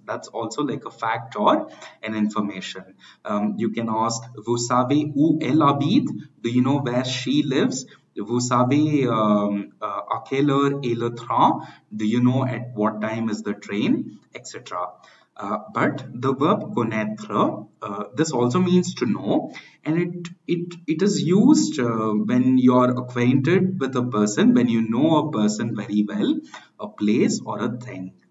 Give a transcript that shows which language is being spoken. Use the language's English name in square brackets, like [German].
[English] That's also like a fact or an information. You can ask, [French] vous savez où elle habite? [English] Do you know where she lives? [French] Vous savez à quelle heure est le train? [English] Do you know at what time is the train? Etc. But the verb connaître, this also means to know, and it is used when you are acquainted with a person, when you know a person very well, a place or a thing.